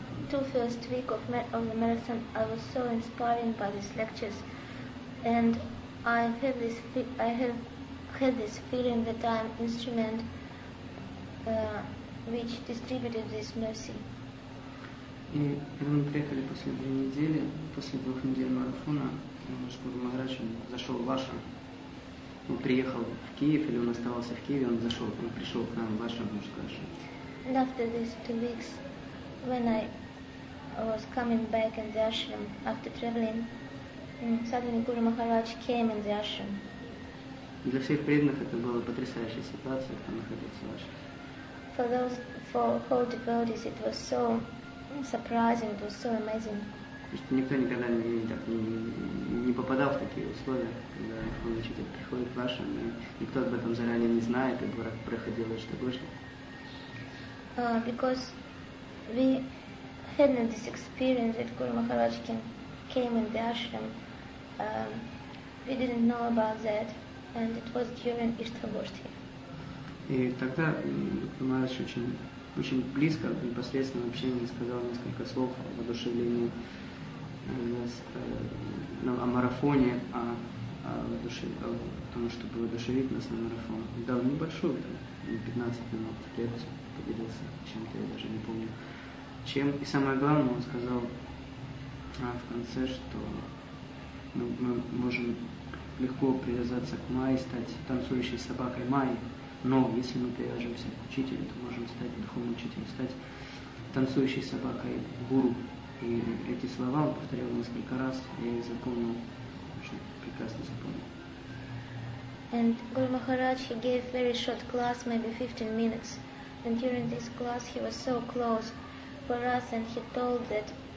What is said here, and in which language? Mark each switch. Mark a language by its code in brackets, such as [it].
[en] Two first week of the medicine, I was so inspiring by these lectures, and I had this feeling that I am instrument which distributed this mercy. [ru] И когда мы приехали после две недели, после двух недель марафона, Гуру Махарадж зашел в ашрам. Он приехал в Киев, или он оставался в Киеве, он зашел, он пришел к нам в ашрам, можно сказать. [en] And after these two weeks, when I was coming back in the ashram after traveling, suddenly Guru Maharaj came in the ashram. [ru] Для всех преданных это была потрясающая ситуация, там находиться в ашрам. [en] For those, for whole devotees, it was so surprising, it was so amazing. [ru] Никто никогда не попадал в такие условия, когда духовный учитель приходит в ашрам, и никто об этом заранее не знает, и Гурак проходил и что больше. [en] Because we had this experience that Guru Maharaj came in the ashram, we didn't know about that, and it was during Ishtagoshti. [ru] И тогда Гуру Махарадж очень близко, в непосредственном общении сказал несколько слов о воодушевлении нас о марафоне, о том, чтобы воодушевить нас на марафон. Дал небольшую, там, 15 минут, лекцию, поделился чем-то, я даже не помню. Чем, и самое главное, он сказал в конце, что мы можем легко привязаться к Майе, стать танцующей собакой Майи, но если мы привяжемся к учителю, то можем стать духовным учителем, стать танцующей собакой гуру. И эти слова он повторял несколько раз, я их запомнил, очень прекрасно запомнил. [en] And Guru Maharaj, he gave very short class, maybe 15 minutes. And during this class he was so close for us, and he told that